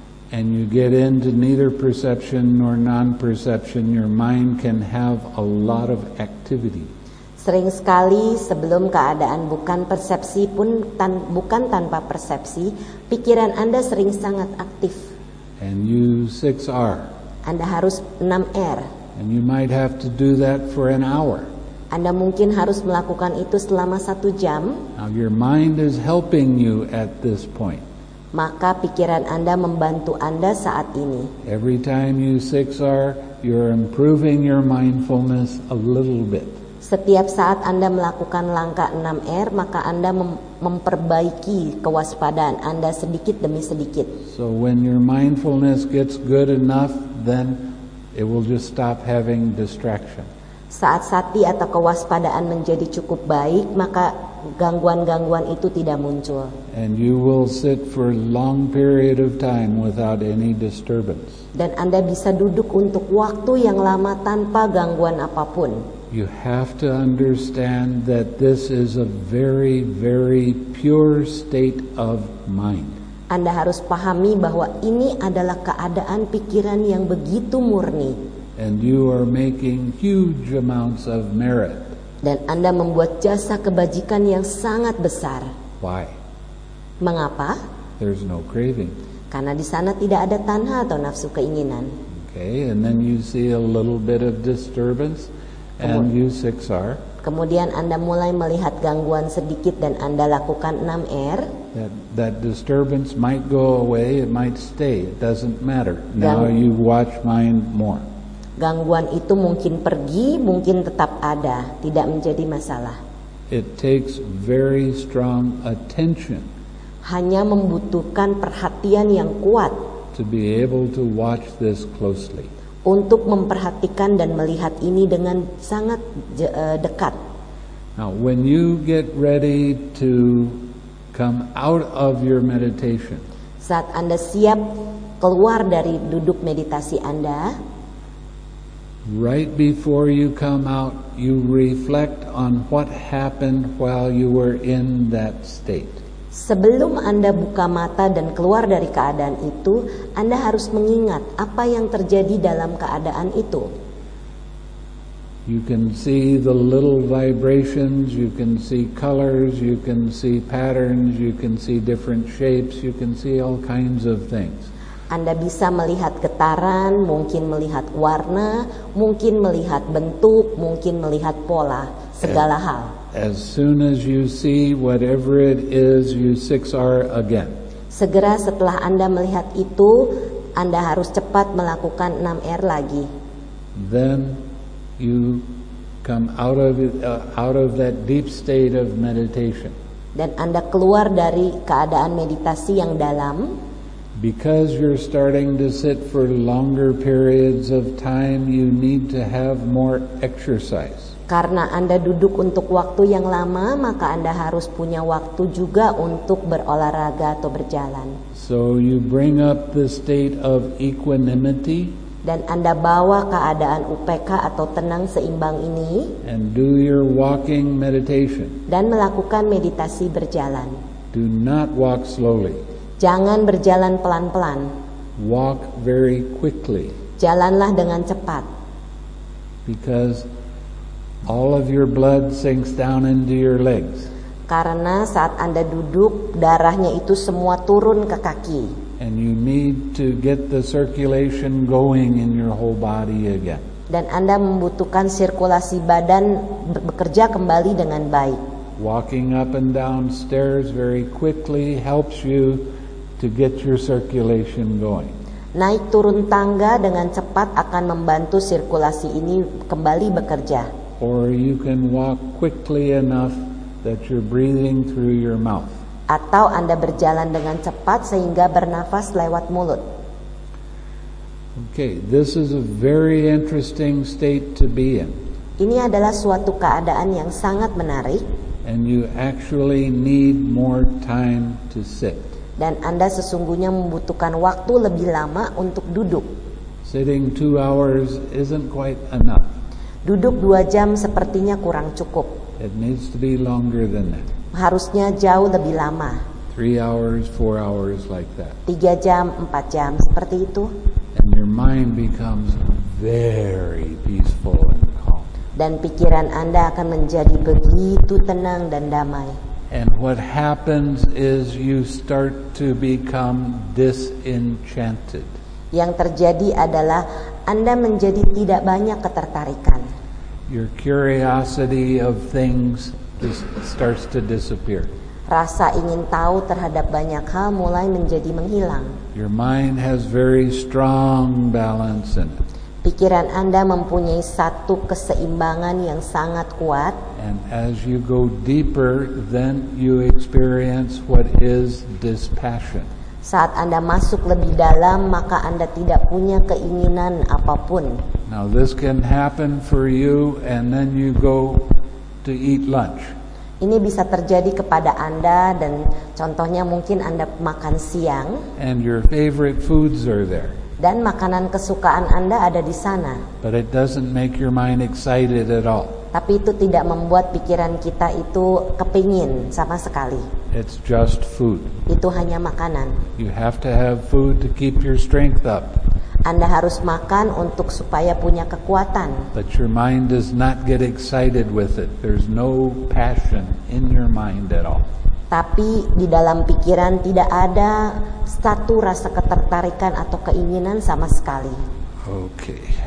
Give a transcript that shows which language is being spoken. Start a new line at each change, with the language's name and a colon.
English: and you get into neither perception nor non-perception, your mind can have a lot of activity.
Indonesian: Sering sekali sebelum keadaan bukan persepsi pun bukan tanpa persepsi, pikiran Anda sering sangat aktif.
English: And you 6R.
Indonesian: Anda harus 6R.
English: And you might have to do that for an hour.
Indonesian: Anda mungkin harus melakukan itu selama 1 jam.
English: Now your mind is helping you at this point.
Indonesian: Maka pikiran Anda membantu Anda saat ini.
English: Every time you 6R, you're improving your mindfulness a little bit.
Indonesian: Setiap saat Anda melakukan langkah 6R, maka Anda memperbaiki kewaspadaan Anda sedikit demi sedikit.
English: So when your mindfulness gets good enough, then it will just stop having distraction.
Indonesian: Saat sati atau kewaspadaan menjadi cukup baik, maka gangguan-gangguan itu tidak muncul.
English: And you will sit for a long period of time without any disturbance.
Indonesian: Dan Anda bisa duduk untuk waktu yang lama tanpa gangguan apapun.
English: You have to understand that this is a very, very pure state of mind.
Indonesian: Anda harus pahami bahwa ini adalah keadaan pikiran yang begitu murni.
English: And you are making huge amounts of merit.
Indonesian: Dan Anda membuat jasa kebajikan yang sangat besar.
English: Why?
Indonesian: Mengapa?
English: There's no craving.
Indonesian: Karena di sana tidak ada tanha atau nafsu keinginan.
English: Okay, and then you see a little bit of disturbance. And you 6R.
Indonesian: Kemudian Anda mulai melihat gangguan sedikit dan Anda lakukan 6R.
English: That disturbance might go away, it might stay, it doesn't matter. Now you watch mind more.
Indonesian: Gangguan itu mungkin pergi, mungkin tetap ada, tidak menjadi masalah.
English: It takes very strong attention.
Indonesian: Hanya membutuhkan perhatian yang kuat.
English: To be able to watch this closely.
Indonesian: Untuk memperhatikan dan melihat ini dengan sangat dekat.
English: Now, when you get ready to come out of your meditation,
Indonesian: saat Anda siap keluar dari duduk meditasi Anda,
English: right before you come out, you reflect on what happened while you were in that state.
Indonesian: Sebelum Anda buka mata dan keluar dari keadaan itu, Anda harus mengingat apa yang terjadi dalam keadaan itu.
English: You can see the little vibrations, you can see colors, you can see patterns, you can see different shapes, you can see all kinds of things.
Indonesian: Anda bisa melihat getaran, mungkin melihat warna, mungkin melihat bentuk, mungkin melihat pola, segala hal.
English: As soon as you see whatever it is, you 6R again.
Indonesian: Segera setelah Anda melihat itu, Anda harus cepat melakukan 6R lagi.
English: Then you come out of it, out of that deep state of meditation.
Indonesian: Dan Anda keluar dari keadaan meditasi yang dalam.
English: Because you're starting to sit for longer periods of time, you need to have more exercise.
Indonesian: Karena Anda duduk untuk waktu yang lama, maka Anda harus punya waktu juga untuk berolahraga atau berjalan.
English: So you bring up the state of equanimity.
Indonesian: Dan Anda bawa keadaan UPK atau tenang seimbang ini.
English: And do your walking meditation.
Indonesian: Dan melakukan meditasi berjalan.
English: Do not walk slowly.
Indonesian: Jangan berjalan pelan-pelan.
English: Walk very quickly.
Indonesian: Jalanlah dengan cepat.
English: Because all of your blood sinks down into your legs.
Indonesian: Karena saat Anda duduk, darahnya itu semua turun ke kaki.
English: And you need to get the circulation going in your whole body again.
Indonesian: Dan Anda membutuhkan sirkulasi badan bekerja kembali dengan baik.
English: Walking up and down stairs very quickly helps you to get your circulation going.
Indonesian: Naik turun tangga dengan cepat akan membantu sirkulasi ini kembali bekerja.
English: Or you can walk quickly enough that you're breathing through your mouth.
Indonesian: Atau Anda berjalan dengan cepat sehingga bernafas lewat mulut.
English: Okay, this is a very interesting state to be in.
Indonesian: Ini adalah suatu keadaan yang sangat menarik.
English: And you actually need more time to sit.
Indonesian: Dan Anda sesungguhnya membutuhkan waktu lebih lama untuk duduk.
English: Sitting 2 hours isn't quite enough.
Indonesian: Duduk 2 jam sepertinya kurang cukup.
English: It needs to be longer than that.
Indonesian: Harusnya jauh lebih lama.
English: 3 hours, 4 hours, like that.
Indonesian: 3 jam, 4 jam, seperti itu.
English: And your mind becomes very peaceful and calm.
Indonesian: Dan pikiran Anda akan menjadi begitu tenang dan damai.
English: And what happens is you start to become disenchanted.
Indonesian: Yang terjadi adalah Anda menjadi tidak banyak ketertarikan.
English: Your curiosity of things just starts to disappear.
Indonesian: Rasa ingin tahu terhadap banyak hal mulai menjadi menghilang.
English: Your mind has very strong balance in it.
Indonesian: Pikiran Anda mempunyai satu keseimbangan yang sangat kuat.
English: And as you go deeper, then you experience what is dispassion.
Indonesian: Saat Anda masuk lebih dalam, maka Anda tidak punya keinginan apapun.
English: Now this can happen for you, and then you go to eat lunch.
Indonesian: Ini bisa terjadi kepada Anda, dan contohnya mungkin Anda makan siang.
English: And your favorite foods are there.
Indonesian: Dan makanan kesukaan Anda ada di sana.
English: But it doesn't make your mind excited at all.
Indonesian: Tapi itu tidak membuat pikiran kita itu kepingin sama sekali.
English: It's just food.
Indonesian: Itu hanya makanan.
English: You have to have food to keep your strength up.
Indonesian: Anda harus makan untuk supaya punya kekuatan.
English: But your mind does not get excited with it. There's no passion in your mind at all.
Indonesian: Tapi di dalam pikiran tidak ada satu rasa ketertarikan atau keinginan sama sekali.
English: Okay.